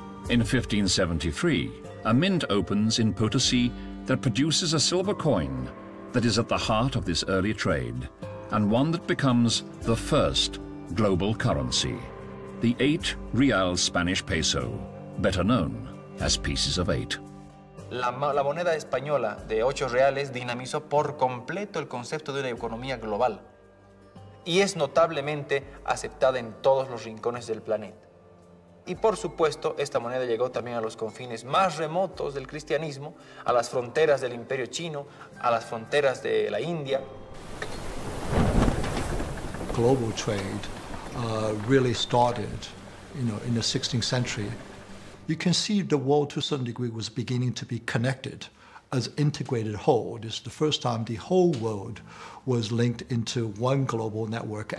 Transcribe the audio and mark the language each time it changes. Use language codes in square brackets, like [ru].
[en] In 1573, a mint opens in Potosí that produces a silver coin that is at the heart of this early trade, and one that becomes the first global currency, the 8 real Spanish peso, better known as pieces of eight. [es] La moneda española de 8 reales dinamizó por completo el concepto de una economía global y es notablemente aceptada en todos los rincones del planeta. Y por supuesto, esta moneda llegó también a los confines más remotos del cristianismo, a las fronteras del imperio chino, a las fronteras de la India. [en] Global trade really started, you know, in the 16th century. You can see the world to a certain degree was beginning to be connected as integrated whole. This is the first time the whole world was linked into one global network.